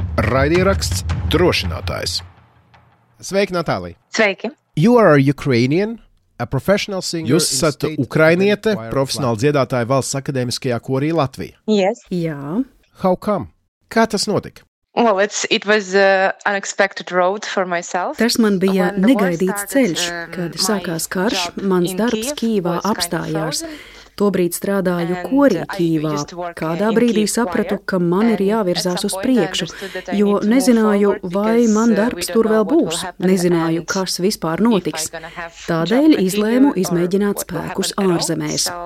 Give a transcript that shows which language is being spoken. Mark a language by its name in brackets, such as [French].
[Latvian] raidieraksts drošinātājs. Sveiki, Natālija! Sveiki! [English] You are a Ukrainian, a professional singer. [Latvian] Jūs esat ukrainiete, profesionāli dziedātāja Valsts akadēmiskajā korī Latvijā. [English] Yes. [Latvian] Jā. [English] How come? [Latvian] Kā tas notika? [English] Well, it was unexpected road for myself. [Latvian] Tas man bija negaidīts ceļš, kad sākās karš, mans darbs Kīvā apstājās. Tobrīd strādāju korī Kīvā. Kādā brīdī sapratu, ka man ir jāvirzās uz priekšu, jo nezināju, vai man darbs tur vēl būs. Nezināju, kas vispār notiks. Tādēļ izlēmu izmēģināt spēkus ārzemēs.